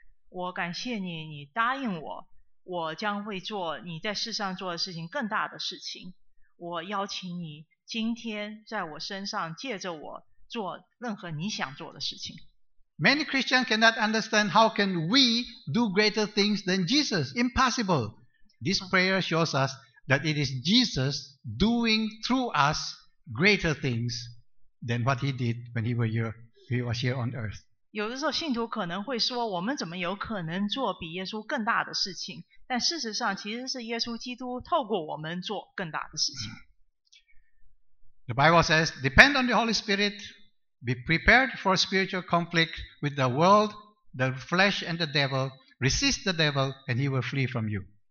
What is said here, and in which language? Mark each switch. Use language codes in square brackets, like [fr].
[zh] 我感谢你，你答应我，我将会做你在世上做的事情更大的事情。我邀请你今天在我身上借着我做任何你想做的事情。 [en] Many Christians cannot understand how can we do greater things than Jesus. Impossible. This prayer shows us that it is Jesus doing through us greater things than what he did when he was here on earth. [zh] 有的时候信徒可能会说，我们怎么有可能做比耶稣更大的事情？但事实上其实是耶稣基督透过我们做更大的事情。 [en] The Bible says, depend on the Holy Spirit, be prepared for spiritual conflict with the world, the flesh and the devil, resist the devil and he will flee from you.